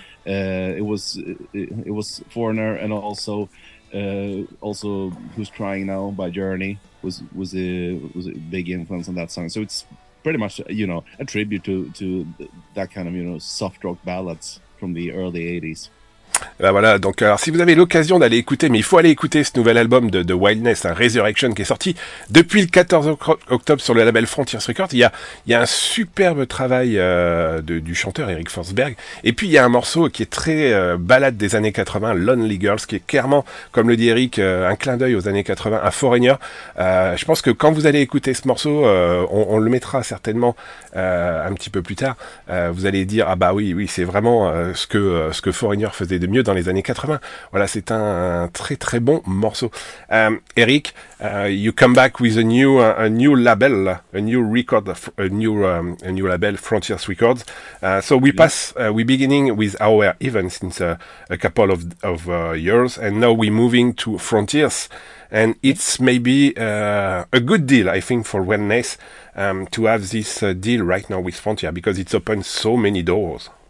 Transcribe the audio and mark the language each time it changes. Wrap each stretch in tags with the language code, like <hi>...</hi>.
<en>It was Foreigner, and also Who's Crying Now by Journey was a big influence on that song. So it's pretty much, you know, a tribute to that kind of, you know, soft rock ballads from the early 80s.</en> <fr>Ben voilà, donc alors si vous avez l'occasion d'aller écouter, mais il faut aller écouter ce nouvel album de Wildness, hein, Resurrection, qui est sorti depuis le 14 octobre sur le label Frontiers Records. Il y a un superbe travail du chanteur Eric Forsberg, et puis il y a un morceau qui est très balade des années 80, Lonely Girls, qui est clairement, comme le dit Eric, un clin d'œil aux années 80, un Foreigner. Je pense que quand vous allez écouter ce morceau, on le mettra certainement un petit peu plus tard, vous allez dire ah bah oui, c'est vraiment ce que Foreigner faisait de mieux dans les années 80. Voilà, c'est un très très bon morceau.</fr> <en>Eric, you come back with a new label, Frontiers Records. We beginning with our event since a couple of years, and now we're moving to Frontiers, and it's maybe a good deal, I think, for Wellness to have this deal right now with Frontiers, because it's opened so many doors.</en>